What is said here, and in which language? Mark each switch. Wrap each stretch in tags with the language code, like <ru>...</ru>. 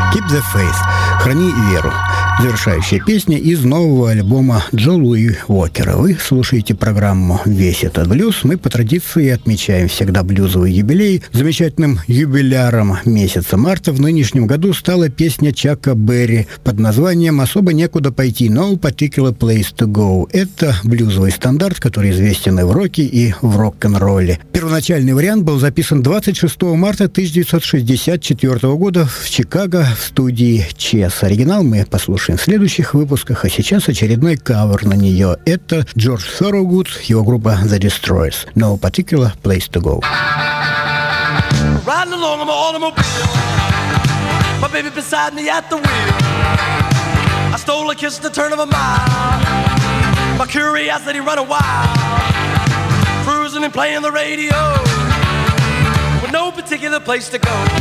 <en>The Faith.</en> <ru>Храни веру. завершающая песня из нового альбома Джо Луи Уокера. Вы слушаете программу «Весь этот блюз». Мы по традиции отмечаем всегда блюзовый юбилей. Замечательным юбиляром месяца марта в нынешнем году стала песня Чака Берри под названием «Особо некуда пойти,</ru> <en>no particular place to go».</en> <ru>Это блюзовый стандарт, который известен и в роке, и в рок-н-ролле. Первоначальный вариант был записан 26 марта 1964 года в Чикаго в студии Чес. Оригинал мы послушаем в следующих выпусках, а сейчас очередной кавер на нее. Это Джордж Сорогуд, его группа The Destroyers.</ru> <en>No particular place to go. Riding along on my automobile, my baby beside me at the wheel. I stole a kiss at the turn of a mile, my curiosity running wild. Cruising and playing the radio with no particular place to go.</en>